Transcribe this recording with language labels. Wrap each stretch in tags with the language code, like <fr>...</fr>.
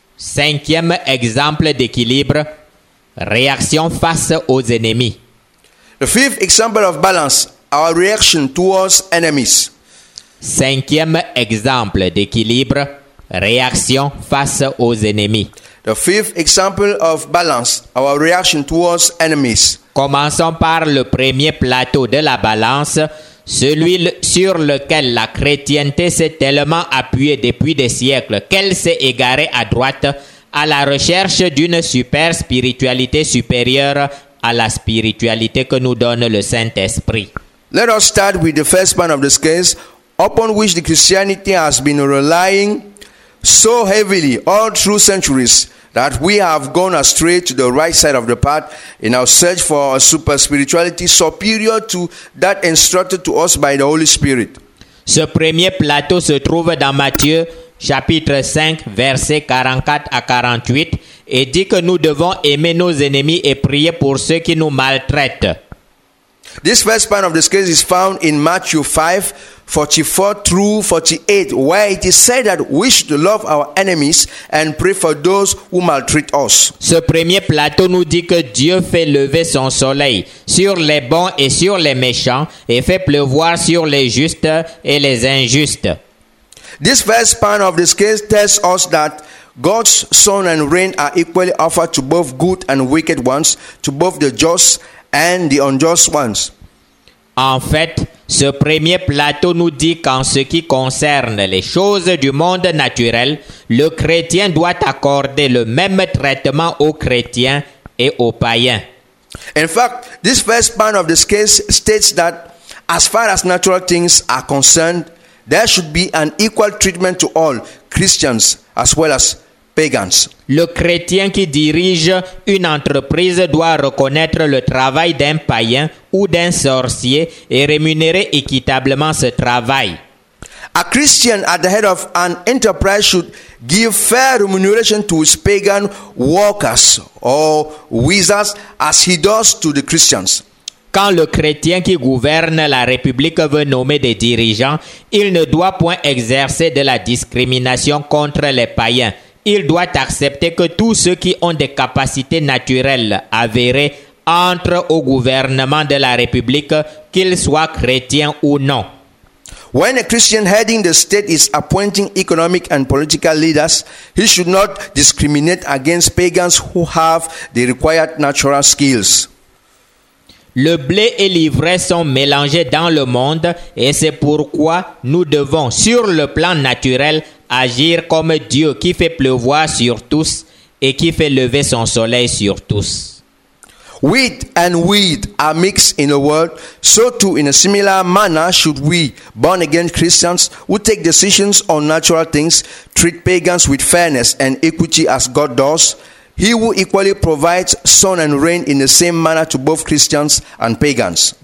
<fr>Cinquième exemple d'équilibre, réaction face aux ennemis.</fr> <en>The fifth example of balance, our reaction towards enemies.</en> <fr>Cinquième exemple d'équilibre, réaction face aux ennemis.</fr> <en>The fifth example of balance, our reaction towards enemies.</en> <fr>Commençons par le premier plateau de la balance, celui sur lequel la chrétienté s'est tellement appuyée depuis des siècles qu'elle s'est égarée à droite à la recherche d'une super spiritualité supérieure à la spiritualité que nous donne le Saint-Esprit.</fr> <en>Let us start with the first point of the scales upon which the Christianity has been relying so heavily all through centuries, that we have gone astray to the right side of the path in our search for a super spirituality superior to that instructed to us by the Holy Spirit.</en> <fr>Ce premier plateau se trouve dans Matthieu chapitre 5 versets 44 à 48 et dit que nous devons aimer nos ennemis et prier pour ceux qui nous maltraitent.</fr> <en>This first part of the scripture is found in Matthew 5, 44 through 48, where it is said that we should love our enemies and pray for those who maltreat us.</en> <fr>Ce premier plateau nous dit que Dieu fait lever son soleil sur les bons et sur les méchants et fait pleuvoir sur les justes et les injustes.</fr> <en>This first part of the scripture tells us that God's sun and rain are equally offered to both good and wicked ones, to both the just and the unjust ones.</en> <fr>En fait, ce premier plateau nous dit qu'en ce qui concerne les choses du monde naturel, le chrétien doit accorder le même traitement aux chrétiens et aux païens.</fr> <en>In fact, this first part of the scale states that as far as natural things are concerned, there should be an equal treatment to all Christians as well as pagans.</en> <fr>Le chrétien qui dirige une entreprise doit reconnaître le travail d'un païen ou d'un sorcier et rémunérer équitablement ce travail.</fr> <en>A Christian at the head of an enterprise should give fair remuneration to his pagan workers or wizards as he does to the Christians.</en> <fr>Quand le chrétien qui gouverne la République veut nommer des dirigeants, il ne doit point exercer de la discrimination contre les païens, il doit accepter que tous ceux qui ont des capacités naturelles avérées entrent au gouvernement de la République, qu'ils soient chrétiens ou non.</fr> <en>When a Christian heading the state is appointing economic and political leaders, he should not discriminate against pagans who have the required natural skills.</en> <fr>Le blé et l'ivraie sont mélangés dans le monde et c'est pourquoi nous devons, sur le plan naturel, agir comme Dieu qui fait pleuvoir sur tous et qui fait lever son soleil sur tous.</fr> <en>Wheat and weed are mixed in the world, so too in a similar manner should we, born again Christians, who take decisions on natural things, treat pagans with fairness and equity as God does. He who equally provides sun and rain in the same manner to both Christians and pagans.</en>